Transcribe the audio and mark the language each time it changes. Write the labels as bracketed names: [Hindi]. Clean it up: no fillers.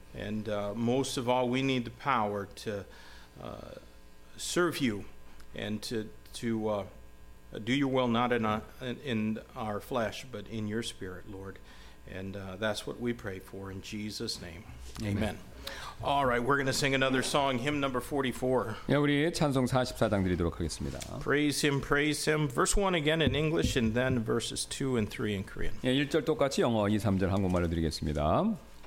[English] And most of all, we need the power to serve you and to do your will, not in our flesh, but in your spirit, Lord. And that's what we pray for in Jesus' name. Amen. All right, we're going to sing another song, hymn number 44. [Korean] 예, 우리 찬송 44장 드리도록 하겠습니다. [English] Praise him, verse 1 again in English and then verses 2 and 3 in Korean. [Korean] 예, 1절 똑같이 영어 2, 3절 한국말로 드리겠습니다.